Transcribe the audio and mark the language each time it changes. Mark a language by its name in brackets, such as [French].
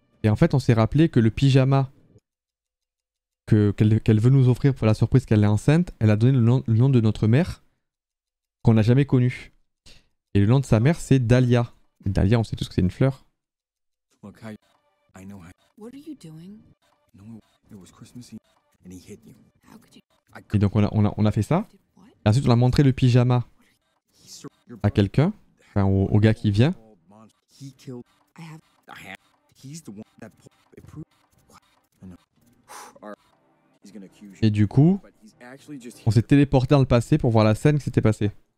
[French] Et en fait, on s'est rappelé que le pyjama qu'elle veut nous offrir pour la surprise qu'elle est enceinte, elle a donné le nom de notre mère, qu'on n'a jamais connue. Et le nom de sa mère, c'est Dahlia. Dahlia, on sait tous que c'est une fleur. [English] Okay. I know how. What are you doing? No, it was Christmas Eve, and he hit you. How could you? [French] Et donc on a fait ça. Et ensuite on a montré le pyjama à quelqu'un, enfin au gars qui vient. [English] He killed. I have. He's the one that approved. He's gonna accuse. [French] Et du coup, on s'est téléporté dans le passé pour voir la scène qui s'était passée.